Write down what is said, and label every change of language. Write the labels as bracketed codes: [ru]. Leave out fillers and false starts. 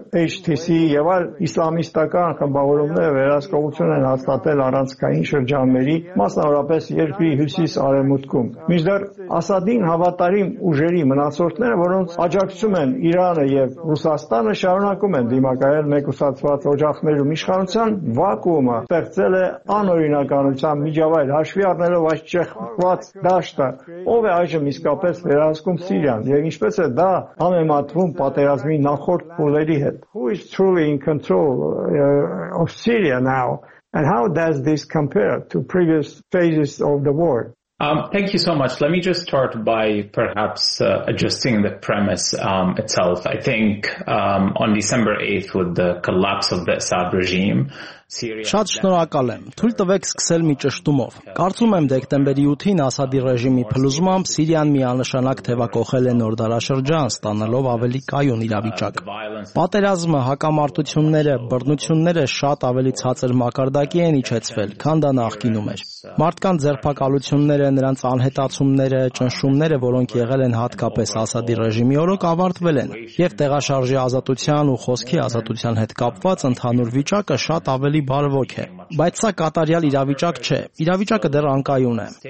[hy] HTC-ի եւ այլ իսլամիստական խմբավորումները վերահսկողություն են հաստատել առանցքային շրջանների, մասնավորապես երկրի հյուսիս արևմուտքում։ Մինչդեռ Ասադին հավատարիմ ուժերի մնացորդները, որոնց աջակցում են Իրանը եւ Ռուսաստանը, շարունակում են դիմակայել մեկուսացված օջախներում։ Իշխանության վակուումը ստեղծել է անօրինականության միջավայր, հաշվի առնելով այս չեղված դաշտը, ով է այժմ իսկապես վերահսկում Սիրիան, եւ ինչպես է դա համեմատվում պատերազմի նախորդ փուլերի հետ։ [en] Who is truly in control of Syria now? And how does this compare to previous phases of the war? Thank you so much. Let me just start by perhaps adjusting the premise itself. I think on December 8th, with the collapse of the Assad regime, [hy] Շատ շնորհակալ եմ։ Թույլ տվեք սկսել մի ճշտումով։ Կարծում եմ դեկտեմբերի 8-ին Ասադի ռեժիմի փլուզմամբ Սիրիան միանշանակ թևակոխել է նոր դարաշրջան, ստանալով ավելի կայուն իրավիճակ։ Պատերազմը, հակամարտությունները, բռնությունները շատ ավելի ցածր մակարդակի են իջեցվել, քան դա նախկինում էր։ Մարդկանց ձերբակալությունները, նրանց անհետացումները, ճնշումները, որոնք եղել են հատկապես Ասադի ռեժիմի օրոք, ավարտվել են, եւ տեղաշարժի ազատության ու խոսքի ազատության հետ կապված ընդհանուր վիճակը շատ ավելի բարվոք է, բայց սա կատարյալ իրավիճակ չէ, իրավիճակը դեռ անկայուն է,